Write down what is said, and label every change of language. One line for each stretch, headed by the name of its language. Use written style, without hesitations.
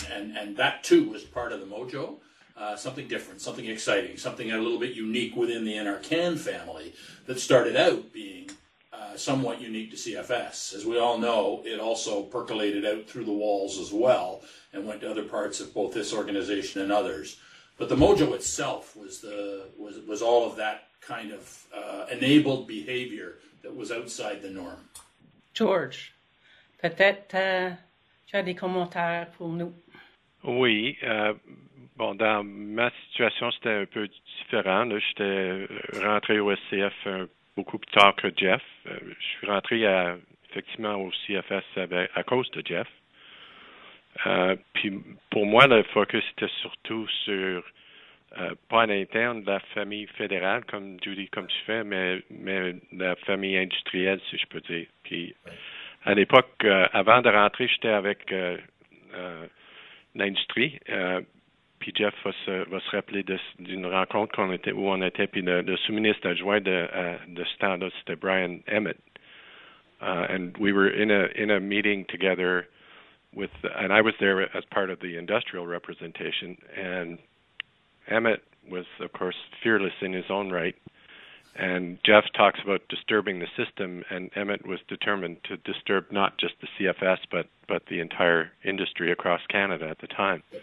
English: And that too was part of the Mojo. Something different, something exciting, something a little bit unique within the NRCan family that started out being somewhat unique to CFS. As we all know, it also percolated out through the walls as well and went to other parts of both this organization and others. But the Mojo itself was all of that kind of enabled behavior that was outside the norm.
French: George, peut-être tu as des commentaires pour nous? Oui, bon, dans ma situation, c'était un peu différent. Là, j'étais rentré au SCF beaucoup plus tard que Geoff. Je suis rentré effectivement au CFS à cause de Geoff. Puis pour moi, le focus était surtout sur, pas à l'interne, la famille fédérale, comme Judi, comme tu fais, mais la famille industrielle, si je peux dire. Puis à l'époque, avant de rentrer, j'étais avec l'industrie. Puis Geoff va se rappeler d'une rencontre qu'on était où on était. Puis le sous-ministre adjoint de ce temps-là, c'était Brian Emmett.
English: And we were in a meeting together with, and I was there as part of the industrial representation. And Emmett was, of course, fearless in his own right. And Geoff talks about disturbing the system, and Emmett was determined to disturb not just the CFS, but the entire industry across Canada at the time.